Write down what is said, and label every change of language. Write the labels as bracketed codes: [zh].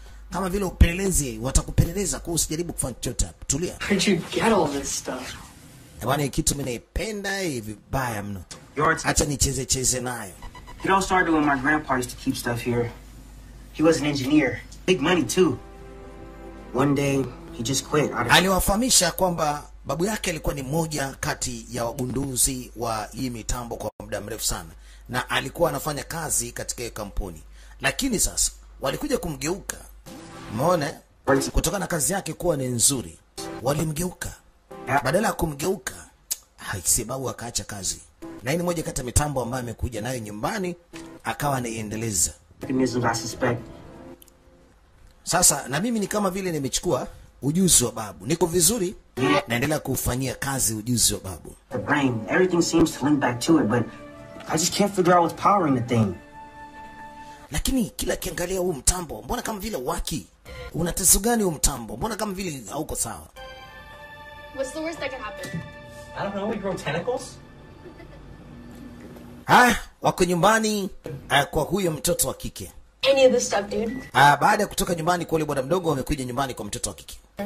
[sw] Kama vile upelelezi, watakupeleleza kwa usijaribu kufanya chochote. Tulia. [en] Where'd you get all this stuff? [sw] Yabani kitu minaipenda hivi baya mno. Hata nicheze cheze nayo. [en] It all started when my grandpa used to keep stuff here. He was an engineer. Big money too. One day, he just quit. [sw] Aliwafahamisha kwamba babu yake alikuwa ni moja kati ya wagunduzi wa hii mitambo kwa muda mrefu sana, na alikuwa anafanya kazi katika hiyo kampuni. Lakini sasa walikuja kumgeuka, umeona, kutokana na kazi yake kuwa ni nzuri walimgeuka. Badala ya kumgeuka haisibabu akaacha kazi, na hii ni moja kati ya mitambo ambayo amekuja nayo nyumbani akawa anaiendeleza. Sasa na mimi ni kama vile nimechukua ujuzi wa babu. Niko vizuri, naendelea kufanyia kazi ujuzi wa babu. [en] The brain, everything seems to link back to it, but I just can't figure out what's powering the thing. [sw] Lakini kila kiangalia huu mtambo, mbona kama vile waki? Una tatizo gani huu mtambo? Mbona kama vile hauko sawa? [en] What's the worst that could happen? I don't know, we grow tentacles? [sw] Ah, wako nyumbani kwa huyo mtoto wa kike. [en] Any of this stuff, dude? [sw] Baada ya kutoka nyumbani kwa yule bwana mdogo, amekuja nyumbani kwa mtoto wa kike.